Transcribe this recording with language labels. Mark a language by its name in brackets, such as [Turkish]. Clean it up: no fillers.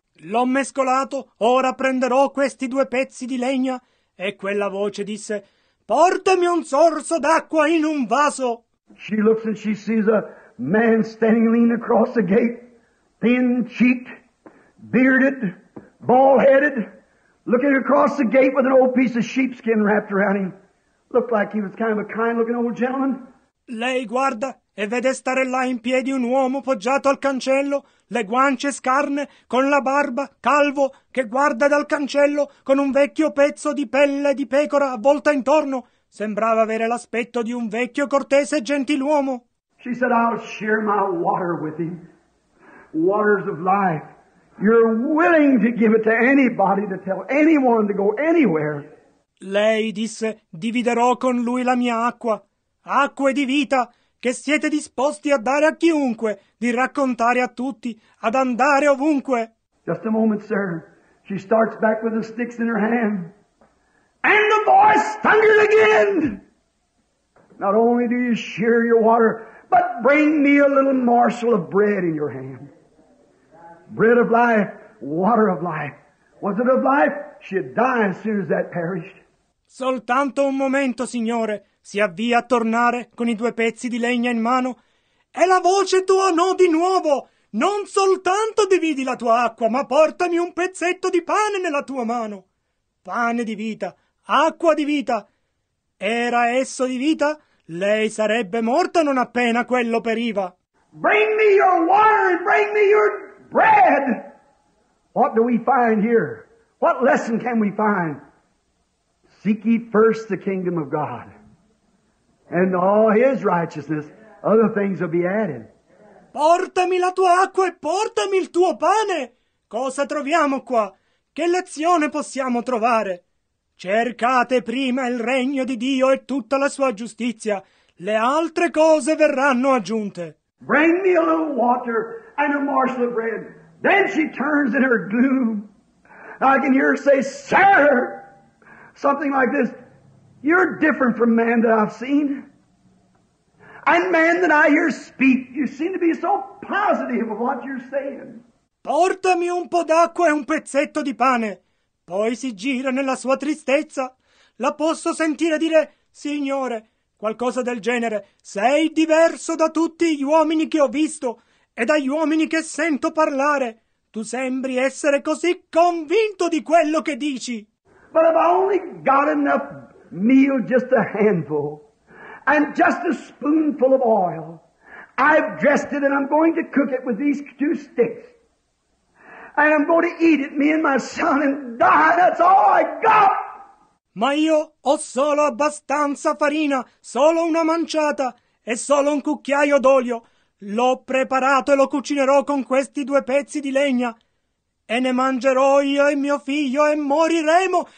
[Italian] L'ho mescolato, ora prenderò questi due pezzi di legna. E quella voce disse, portami un sorso d'acqua in un vaso. [English] She looks and she sees a man standing leaning across the gate, thin-cheeked, bearded, bald-headed, looking across the gate with an old piece of sheepskin wrapped around him. Looked like he was kind of a kind-looking old gentleman. [Italian] Lei guarda e vede stare là in piedi un uomo poggiato al cancello, le guance scarne, con la barba, calvo, che guarda dal cancello con un vecchio pezzo di pelle di pecora avvolta intorno. Sembrava avere l'aspetto di un vecchio cortese gentiluomo. [English] She said, I'll share my water with him. Waters of life. You're willing to give it to anybody to tell anyone to go anywhere. [Italian] Lei disse, dividerò con lui la mia acqua. Acque di vita che siete disposti a dare a chiunque, di raccontare a tutti, ad andare ovunque. [English] Just a moment, sir. She starts back with the sticks in her hand. And the voice thundered again. Not only do you share your water, but bring me a little morsel of bread in your hand. Bread of life, water of life. Was it of life? She'd die as soon as that perished. [Italian] Soltanto un momento, signore. Si avvia a tornare con i due pezzi di legna in mano. E la voce tua no di nuovo. Non soltanto dividi la tua acqua, ma portami un pezzetto di pane nella tua mano. Pane di vita, acqua di vita. Era esso di vita? Lei sarebbe morta non appena quello periva. [English] Bring me your water and bring me your bread. What do we find here? What lesson can we find? Seek ye first the kingdom of God and all his righteousness. Other things will be added. [Italian] Portami la tua acqua e portami il tuo pane. Cosa troviamo qua? Che lezione possiamo trovare? Cercate prima il regno di Dio e tutta la sua giustizia. Le altre cose verranno aggiunte. [English] Bring me a little water and a morsel of bread. Then she turns in her gloom. I can hear her say, sir, something like this. You're different from man that I've seen. And man that I hear speak, you seem to be so positive of what you're saying. [Italian] Portami un po' d'acqua e un pezzetto di pane. Poi si gira nella sua tristezza. La posso sentire dire, signore, qualcosa del genere. Sei diverso da tutti gli uomini che ho visto e dagli uomini che sento parlare. Tu sembri essere così convinto di quello che dici. [English] But I've only got enough meal, just a handful, and just a spoonful of oil. I've dressed it and I'm going to cook it with these two sticks. And I'm going to eat it, me and my son, and die. That's all I got. [Italian] Ma io ho solo abbastanza farina, solo una manciata e solo un cucchiaio d'olio. L'ho preparato e lo cucinerò con questi due pezzi di legna. E ne mangerò io e mio figlio e moriremo.